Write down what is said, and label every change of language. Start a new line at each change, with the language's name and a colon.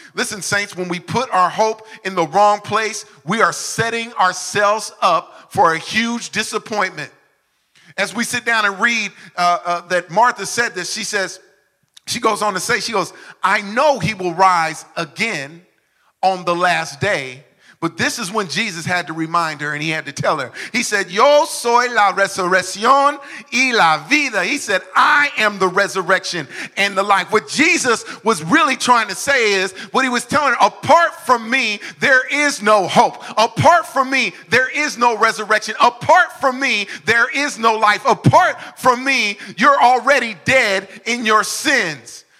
English: Listen, saints, when we put our hope in the wrong place, we are setting ourselves up for a huge disappointment. As we sit down and read that Martha said this, she goes, I know he will rise again on the last day. But this is when Jesus had to remind her and he had to tell her. He said,
Spanish: yo soy la resurrección y la vida.
English: He said, I am the resurrection and the life. What Jesus was really trying to say is, what he was telling her, apart from me, there is no hope. Apart from me, there is no resurrection. Apart from me, there is no life. Apart from me, you're already dead in your sins.